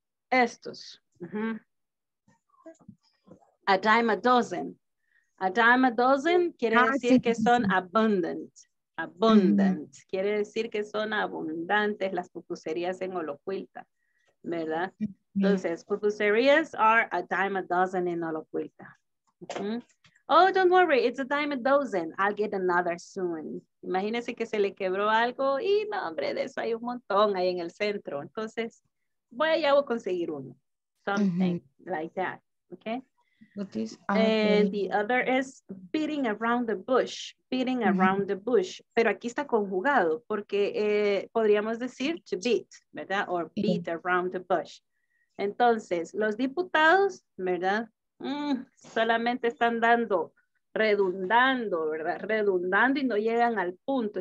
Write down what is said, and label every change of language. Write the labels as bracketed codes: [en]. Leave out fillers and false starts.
[en] Estos. Uh-huh. A dime a dozen. A dime a dozen [es] quiere decir que son abundant. Abundant. Mm-hmm. Quiere decir que son abundantes las pupuserías en Olocuilta, ¿verdad? [en] Entonces, pupuserías are a dime a dozen en Olocuilta. Mm-hmm. Oh, don't worry, it's a dime a dozen. I'll get another soon. [es] Imagínese que se le quebró algo y no, hombre, de eso hay un montón ahí en el centro. Entonces, voy a conseguir uno. Something mm-hmm. [en] like that, okay? And the other is beating around the bush, beating mm-hmm. around the bush. [es] Pero aquí está conjugado porque podríamos decir to beat, ¿verdad? [en] Or beat yeah. around the bush. [es] Entonces, los diputados, ¿verdad? Solamente están dando, redundando, ¿verdad? Redundando y no llegan al punto.